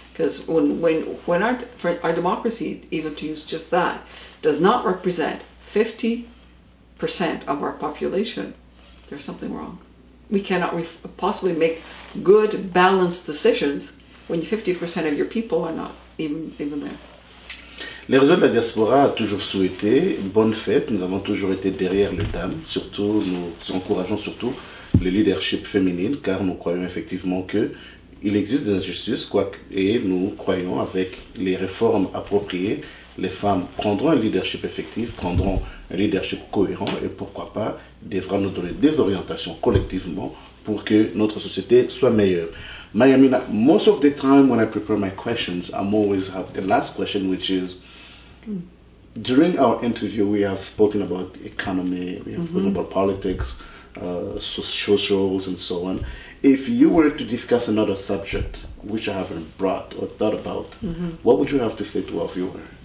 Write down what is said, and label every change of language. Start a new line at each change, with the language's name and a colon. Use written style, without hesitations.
English: Because when our democracy, even to use just that, does not represent 50% of our population, there's something wrong. We cannot possibly make good, balanced decisions when 50% of your people are not even there.
French: Les réseaux de la diaspora ont toujours souhaité bonne fête. Nous avons toujours été derrière les dames. Surtout, nous encourageons surtout le leadership féminin, car nous croyons effectivement que il existe des injustices, et nous croyons avec les réformes appropriées, les femmes prendront un leadership effectif, prendront un leadership cohérent et pourquoi pas devront nous donner des orientations collectivement pour que notre société soit meilleure.
English: Mayamina, most of the time when I prepare my questions, I'm always have the last question, which is during our interview, we have spoken about economy, we have spoken about politics, socials, and so on. If you were to discuss another subject which I haven't brought or thought about, what would you have to say to our viewer?